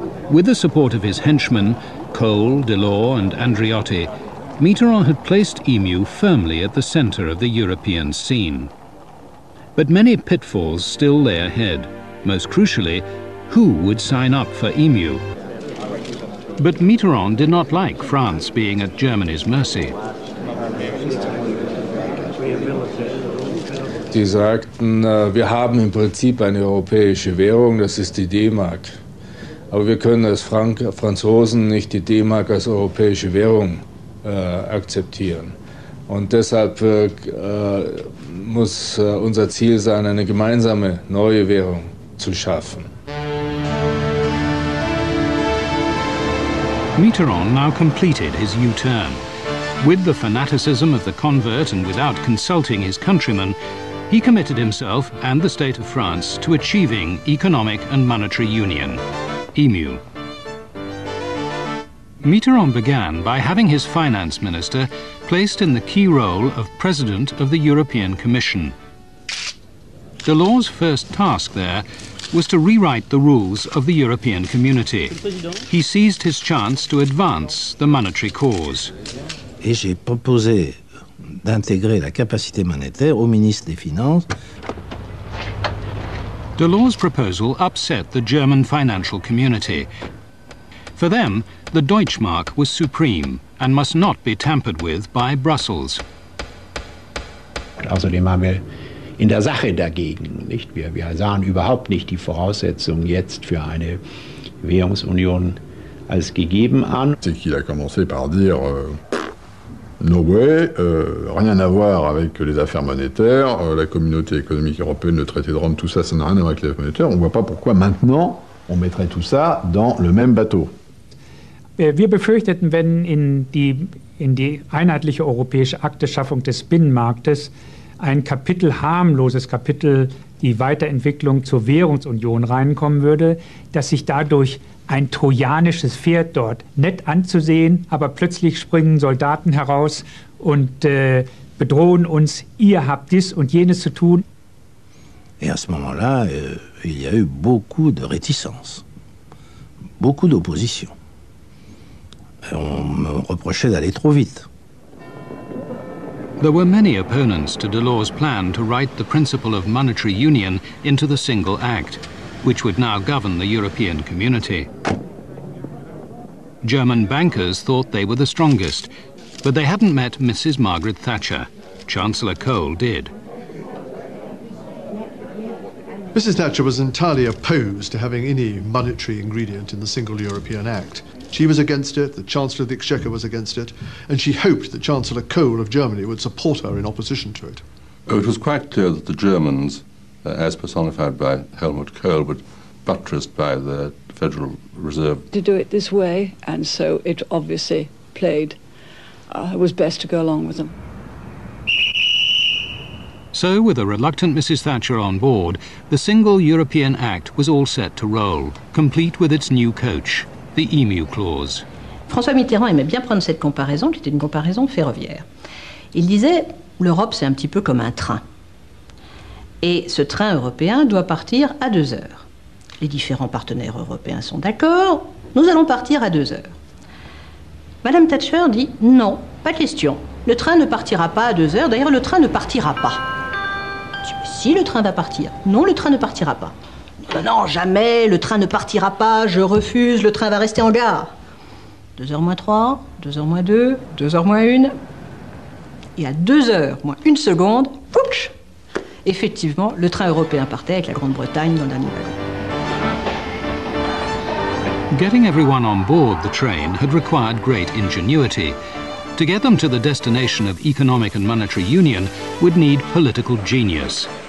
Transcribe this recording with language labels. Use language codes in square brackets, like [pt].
[en] With the support of his henchmen, Cole, Delors and Andreotti, Mitterrand had placed EMU firmly at the centre of the European scene. But many pitfalls still lay ahead. Most crucially, who would sign up for EMU? But Mitterrand did not like France being at Germany's mercy. [de] Sie sagten, wir haben im Prinzip eine europäische Währung, das ist die D-Mark. Aber wir können als Franzosen nicht die D-Mark als europäische Währung akzeptieren. Und deshalb muss unser Ziel sein, eine gemeinsame neue Währung zu schaffen. [en] Mitterrand now completed his U-turn. With the fanaticism of the convert and without consulting his countrymen, he committed himself and the state of France to achieving economic and monetary union, EMU. Mitterrand began by having his finance minister placed in the key role of president of the European Commission. Delors' first task there was to rewrite the rules of the European community. He seized his chance to advance the monetary cause. [fr] Et j'ai proposé d'intégrer la capacité monétaire au ministre des Finances. [en] Delors' proposal upset the German financial community. For them, the Deutschmark was supreme and must not be tampered with by Brussels. [de] Außerdem haben wir in der Sache dagegen, nicht? Wir sahen überhaupt nicht die Voraussetzungen jetzt für eine Währungsunion als gegeben an. [fr] C'est qu'il a commencé par dire [en] no way, [fr] rien à voir avec les affaires monétaires, la communauté économique européenne, le traité de Rome, tout ça, ça n'a rien à voir avec les affaires monétaires. On ne voit pas pourquoi maintenant on mettrait tout ça dans le même bateau. [de] Wir befürchteten, wenn in die einheitliche europäische Akte Schaffung des Binnenmarktes ein Kapitel, harmloses Kapitel, die Weiterentwicklung zur Währungsunion reinkommen würde, dass sich dadurch ein trojanisches Pferd dort nett anzusehen, aber plötzlich springen Soldaten heraus und bedrohen uns, ihr habt dies und jenes zu tun. [fr] Et à ce moment-là, il y a eu beaucoup de réticence, beaucoup d'opposition. On me reprochait d'aller trop vite. [en] There were many opponents to Delors' plan to write the principle of monetary union into the single act, which would now govern the European community. German bankers thought they were the strongest, but they hadn't met Mrs. Margaret Thatcher. Chancellor Kohl did. Mrs. Thatcher was entirely opposed to having any monetary ingredient in the single European act. She was against it, the Chancellor of the Exchequer was against it, and she hoped that Chancellor Kohl of Germany would support her in opposition to it. Oh, it was quite clear that the Germans, as personified by Helmut Kohl, were buttressed by the Federal Reserve. To do it this way, and so it obviously played, it was best to go along with them. So, with a reluctant Mrs. Thatcher on board, the single European Act was all set to roll, complete with its new coach. The EMU clause. [fr] François Mitterrand aimait bien prendre cette comparaison, qui était une comparaison ferroviaire. Il disait, l'Europe, c'est un petit peu comme un train. Et ce train européen doit partir à 2 heures. Les différents partenaires européens sont d'accord, nous allons partir à 2 heures. Madame Thatcher dit, non, pas question. Le train ne partira pas à 2 heures, d'ailleurs le train ne partira pas. Si le train va partir, non, le train ne partira pas. Non, jamais, le train ne partira pas, je refuse, le train va rester en gare. 2h-3, 2h-2, 2h-1. Et à 2h-1 seconde, pouch ! Effectivement, le train européen partait avec la Grande-Bretagne dans le dernier wagon. [en] Getting everyone on board the train had required great ingenuity. To get them to the destination of economic and monetary union would need political genius.